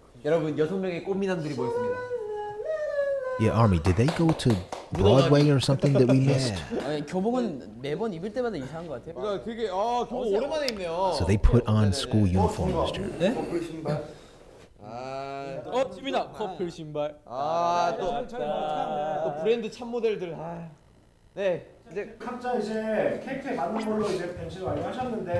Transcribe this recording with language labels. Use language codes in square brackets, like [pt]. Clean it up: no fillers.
[ko] 여러분 여섯 명의 꽃미남들이 모였습니다. [en] Yeah, Army, did they go to Broadway or something that we missed? [ko] 교복은 매번 입을 때마다 이상한 것 같아요. 그러니까 되게 아 교복 오랜만에 입네요. [en] So they put on school uniforms, Jared. [ko] 네? 어 지민아 커플 신발. 아 또 또 브랜드 참 모델들. 아 네. 이제 각자 이제 캐릭터에 맞는 걸로 이제 변신을 많이 하셨는데